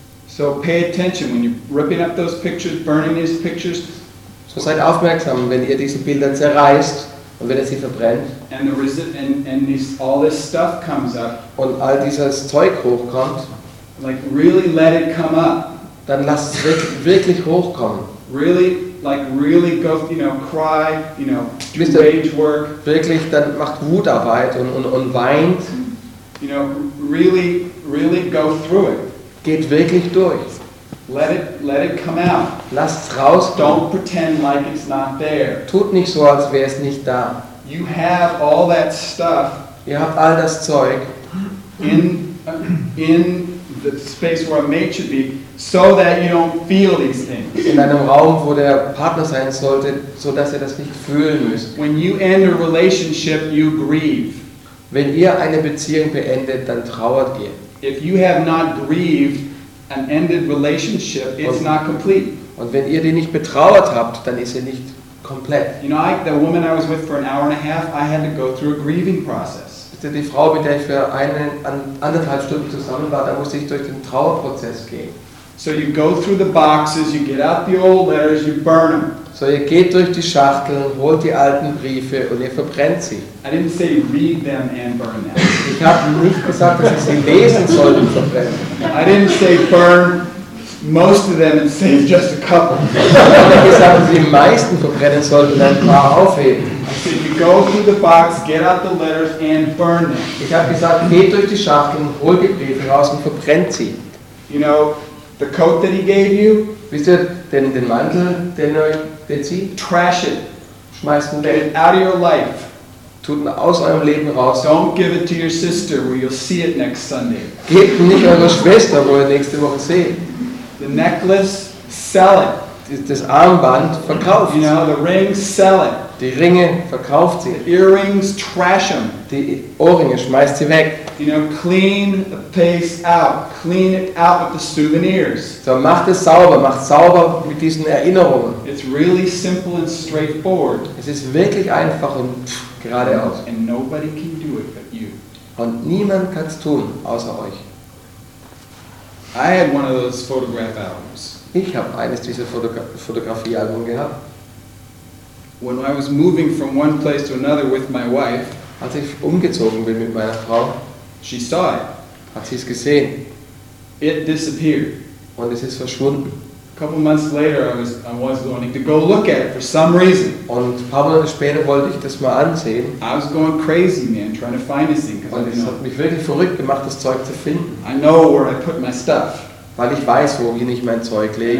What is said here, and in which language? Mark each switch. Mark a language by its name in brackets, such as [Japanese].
[English] So pay attention when you're ripping up those pictures, burning these pictures. [German] So seid aufmerksam, wenn ihr diese Bilder zerreißt und wenn ihr sie verbrennt. [English] And the all this stuff comes up. [German] Und all dieses Zeug hochkommt. [English] Like really let it come up. [German] Dann lasst es wirklich hochkommen. [English] Really. Like really go, you know, cry, you know, do Mister, rage work. [German] Wirklich, dann macht Wutarbeit und weint. [English] You know, really, really go through it. [German] Geht wirklich durch. [English] Let it come out. [German] Lasst's rauskommen. [English] Don't pretend like it's not there. [German] Tut nicht so, als wäre es nicht da. [English] You have all that stuff. [German] Ihr habt all das Zeug. [English] In the space where a mate should be. So that you don't feel these things. [German] In einem Raum, wo der Partner sein sollte, so dass ihr das nicht fühlen müsst. [English] When you end a relationship, you grieve. [German] Wenn ihr eine Beziehung beendet, dann trauert ihr. [English] If you have not grieved an ended relationship, it's not complete. [German] Und wenn ihr die nicht betrauert habt, dann ist sie nicht komplett. [English] You know, the woman I was with for an hour and a half, I had to go through a grieving process. [German] Die Frau, mit der ich für anderthalb Stunden zusammen war, da musste ich durch den Trauerprozess gehen. [English] So you go through the boxes, you get out the old letters, you burn them. [German] So ihr geht durch die Schachtel, holt die alten Briefe und ihr verbrennt sie. [English] I didn't say read them and burn them. [German] Ich habe nicht gesagt, dass ihr sie lesen sollt und verbrennen. [English] I didn't say burn most of them and save just a couple. [German] Ich habe gesagt, dass ihr die meisten verbrennen sollt und ein paar aufheben. [English] So you go through the box, get out the letters and burn them. [German] Ich habe gesagt, geht durch die Schachtel, holt die Briefe raus und verbrennt sie. [English] You know, the coat that he gave you, [German] wisst ihr, den Mantel, den sie, [English] trash it, [German] schmeißt ihn weg. [English] Get it out of your life. [German] Tut ihn aus eurem Leben raus. [English] Don't give it to your sister, where you'll see it next Sunday. [German] Gebt ihn nicht eurer Schwester, wo ihr nächste Woche seht. [English] The necklace, sell it. [German] Das Armband, verkauft. [English] You know, the rings, sell it. [German] Die Ringe, verkauft sie. [English] The earrings, trash them. [German] Die Ohrringe, schmeißt sie weg. [English] You know, clean the place out. Clean it out with the souvenirs. [German] So macht es sauber. Macht sauber mit diesen Erinnerungen. [English] It's really simple and straightforward. [German] Es ist wirklich einfach und geradeaus. [English] And nobody can do it but you. [German] Und niemand kann es tun, außer euch. [English] I had one of those photograph albums. [German] Ich habe eines dieser Fotografiealbum gehabt. [English] When I was moving from one place to another with my wife, [German] als ich umgezogen bin mit meiner Frau, [English] she saw it. [German] Hat sie es gesehen. [English] It disappeared. [German] Und es ist verschwunden. [English] couple months later, I was going to go look at it for some reason. [German] Und ein paar Monate später wollte ich das mal ansehen. [English] I was going crazy, man, trying to find this thing. [German] Und es hat mich wirklich verrückt gemacht, das Zeug zu finden. [English] I know where I put my stuff. [German] Weil ich weiß, wo ich mein Zeug lege.